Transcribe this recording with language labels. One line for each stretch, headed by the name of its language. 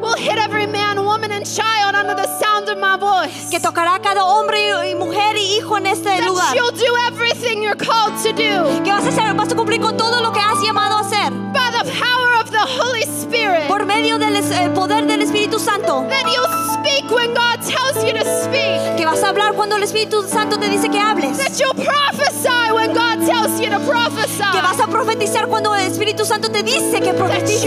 English: Will hit every man, woman, and child under the sound of my voice.
Spanish: Que tocará cada hombre y mujer y hijo en este lugar.
English: That you'll do everything you're called to do.
Spanish: Que vas a hacer, vas a cumplir con todo lo que has llamado a hacer.
English: By the power of the Holy Spirit.
Spanish: Por medio del poder del Espíritu Santo.
English: That you'll speak when God tells you to speak.
Spanish: Que vas a hablar cuando el Espíritu Santo te dice que hables.
English: That you'll prophesy when God tells you to prophesy.
Spanish: Que vas a profetizar cuando el Espíritu Santo te dice que profetices.